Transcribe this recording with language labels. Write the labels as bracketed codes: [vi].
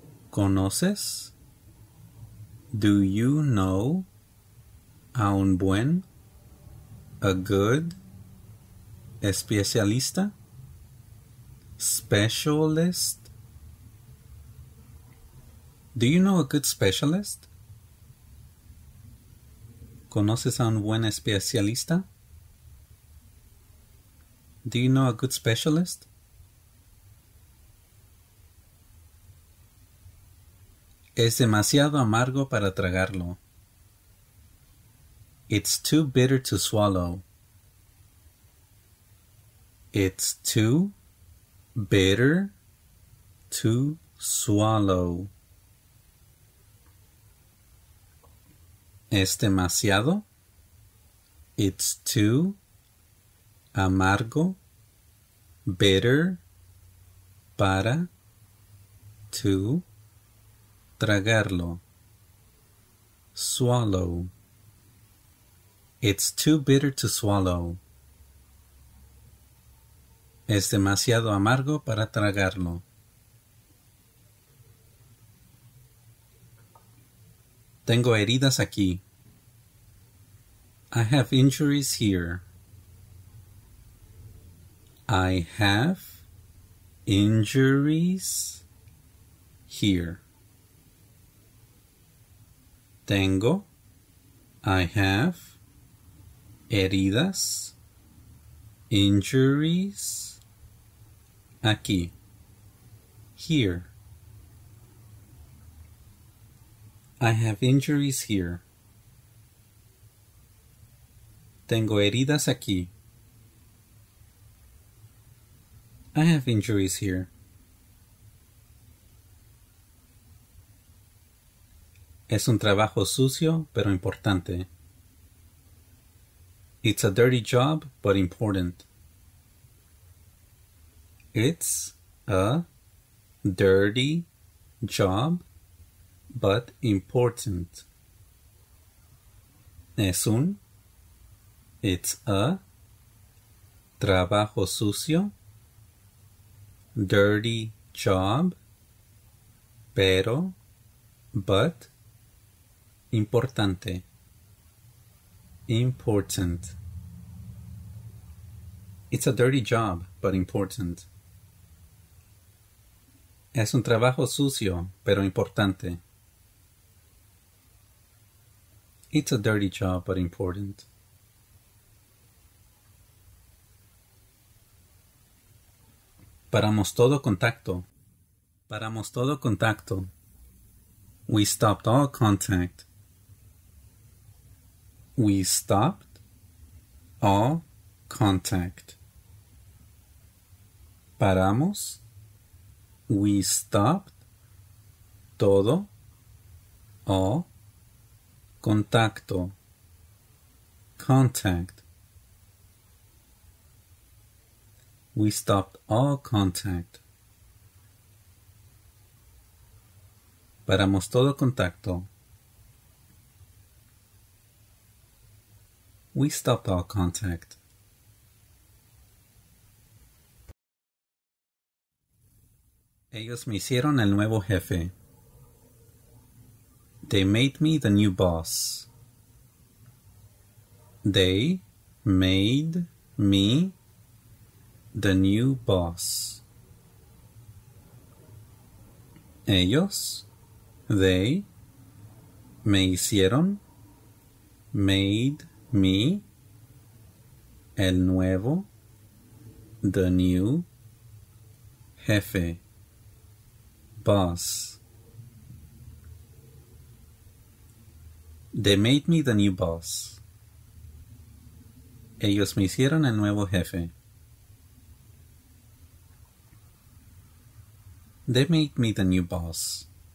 [es] ¿Conoces? [en] Do you know a [es] un buen, [en] a good [es] especialista? [en] Specialist? Do you know a good specialist? [es] ¿Conoces a un buen especialista? [en] Do you know a good specialist? [es] Es demasiado amargo para tragarlo. [en] It's too bitter to swallow. It's too bitter to swallow. [es] Es demasiado. [en] It's too [es] amargo, [en] bitter, [es] para, [en] to, [es] tragarlo, [en] swallow. It's too bitter to swallow. [es] Es demasiado amargo para tragarlo. Tengo heridas aquí. [en] I have injuries here. I have injuries here. [es] Tengo, [en] I have [es] heridas, [en] injuries, [es] aquí, [en] here. I have injuries here. [es] Tengo heridas aquí. [en] I have injuries here. [es] Es un trabajo sucio, pero importante. [en] It's a dirty job, but important. It's a dirty job, but important. [es] Es un, [en] it's a, [es] trabajo sucio, [en] dirty job, [es] pero, [en] but, [es] importante, [en] important. It's a dirty job, but important. [es] Es un trabajo sucio, pero importante. [en] It's a dirty job, but important. [es] Paramos todo contacto. Paramos todo contacto. [en] We stopped all contact. We stopped all contact. [es] Paramos. [en] We stopped [es] todo o contacto. [en] Contact. We stopped all contact. [es] Paramos todo contacto. [en] We stopped all contact. [es] Ellos me hicieron el nuevo jefe. [en] They made me the new boss. They made me the new boss. [es] Ellos, [en] they, [es] me hicieron, [en] made me [es] el nuevo, [en] the new [es] jefe. [en] Boss. They made me the new boss. [es] Ellos me hicieron el nuevo jefe. [en] They made me the new boss.